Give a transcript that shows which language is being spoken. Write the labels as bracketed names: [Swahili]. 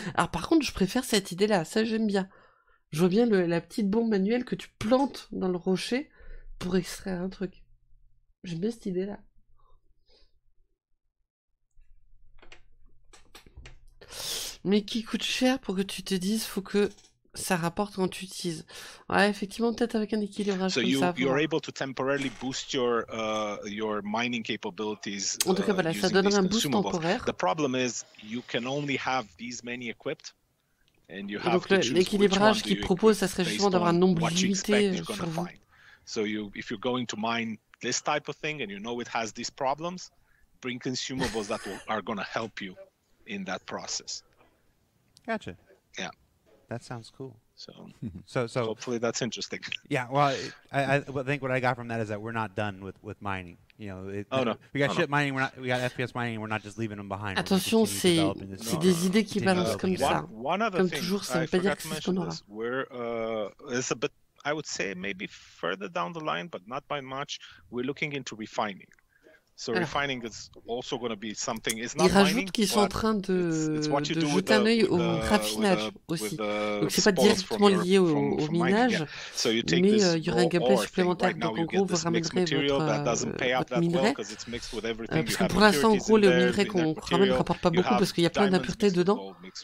[French] Alors, par contre, je préfère cette idée-là, ça, j'aime bien. Je vois bien la petite bombe manuelle que tu plantes dans le rocher pour extraire un truc. J'aime bien cette idée-là. Mais qui coûte cher pour que tu te dises faut que ça rapporte quand tu utilises. Ouais, effectivement, peut-être avec un équilibrage [English] so [French] comme [English] you, [French] ça. [English] So you're able to temporarily boost your mining capabilities. [French] En tout cas, voilà, ça donne un boost temporaire. [English] The problem is you can only have these many equipped. And you have [French] donc l'équilibrage qu'il propose, ça serait justement d'avoir un nombre limité sur vous. [English] So you, if you're going to mine this type of thing and you know it has these problems, bring consumables that are going to help you in that process. Gotcha. Yeah. That sounds cool. So hopefully that's interesting. Yeah. Well, I think what I got from that is that we're not done with mining. You know, mining. We got FPS mining. We're not just leaving them behind. [French] Attention, c'est des idées qui balancent comme ça. Comme toujours, ça ne veut pas dire que c'est ce qu'on aura. [English] It's a bit. I would say maybe further down the line, but not by much. We're looking into refining. So refining is also going to be something. It's not [French] mining. Ils rajoutent qu'ils sont en train de jeter un œil au raffinage aussi. Donc c'est pas directement lié au minage, mais il y aura un gameplay supplémentaire. Donc en gros, vous ramènerez votre minerai. Parce que pour l'instant, en gros, le minerai qu'on ramène ne rapporte pas beaucoup parce qu'il y a plein d'impuretés dedans.